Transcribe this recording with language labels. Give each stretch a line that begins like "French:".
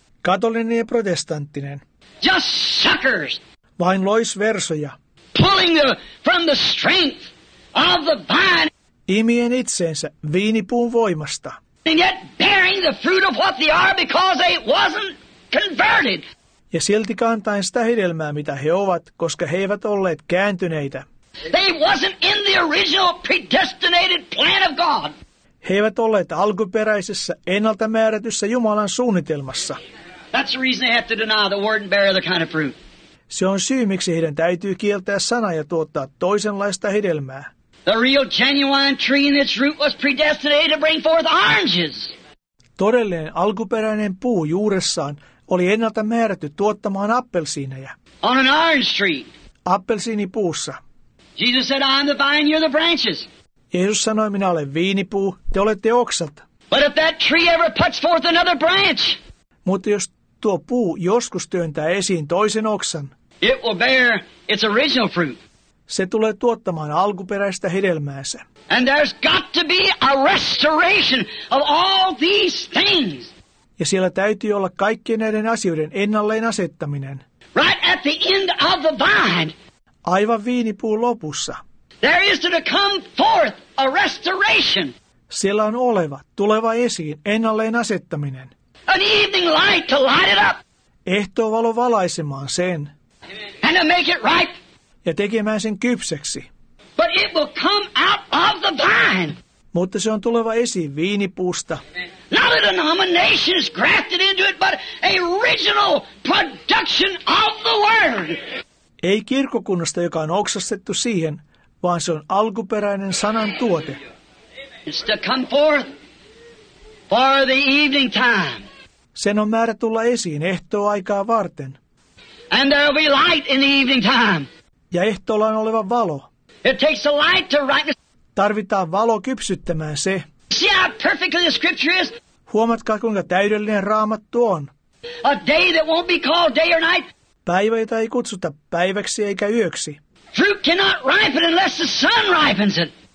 Finnish: Katolinen ja protestanttinen.
English: Just suckers.
Finnish: Vain loisversoja.
English: Pulling from the strength of the vine.
Finnish: Imien itseensä viinipuun voimasta.
English: And yet bearing the fruit of what they are because they wasn't converted.
Finnish: Ja silti kantain sitä hedelmää, mitä he ovat, koska he eivät olleet kääntyneitä.
English: They wasn't in the original predestinated plan of God.
Finnish: He eivät olleet alkuperäisessä, ennalta määrätyssä Jumalan suunnitelmassa.
English: That's the reason they have to deny the word and bear other kind of fruit.
Finnish: Se on syy, miksi heidän täytyy kieltää sana ja tuottaa toisenlaista hedelmää.
English: The real genuine tree in its root was predestinated to bring forth oranges.
Finnish: Todellinen alkuperäinen puu juuressaan oli ennalta määrätty tuottamaan appelsiineja.
English: On an orange tree.
Finnish: Appelsiinipuussa.
English: Jesus said, I'm the vine, you're the branches.
Finnish: Jeesus sanoi, minä olen viinipuu, te olette oksat.
English: But if that tree ever puts forth another branch.
Finnish: Mutta jos tuo puu joskus työntää esiin toisen oksan.
English: It will bear its original fruit.
Finnish: Se tulee tuottamaan alkuperäistä hedelmäänsä.
English: And there's got to be a restoration of all these things.
Finnish: Ja siellä täytyy olla kaikkien näiden asioiden ennalleen asettaminen.
English: Right at the end of the vine.
Finnish: Aivan viinipuun lopussa.
English: There is to come forth a restoration.
Finnish: Siellä on oleva, tuleva esiin, ennalleen asettaminen.
English: An evening light to light it up.
Finnish: Ehtoovalo valaisemaan sen.
English: And to make it ripe.
Finnish: Ja tekemään sen kypseksi.
English: But it will come out of the vine.
Finnish: Mutta se on tuleva esiin viinipuusta.
English: Not a denomination is grafted into it, but a original production of the word.
Finnish: Ei kirkkokunnasta, joka on oksastettu siihen, vaan se on alkuperäinen sanan tuote.
English: It's to come forth for the evening time.
Finnish: Sen on määrä tulla esiin ehtooaikaa varten.
English: And there will be light in the evening time.
Finnish: Ja ehtoolla on oleva valo.
English: It takes the light to write.
Finnish: Tarvitaan valo kypsyttämään se.
English: See how perfectly the scripture is.
Finnish: Huomatkaa, kuinka täydellinen Raamattu on.
English: A day that won't be called day or night.
Finnish: Päivä, jota ei kutsuta päiväksi eikä yöksi.
English: Fruit cannot ripen unless the sun ripens it.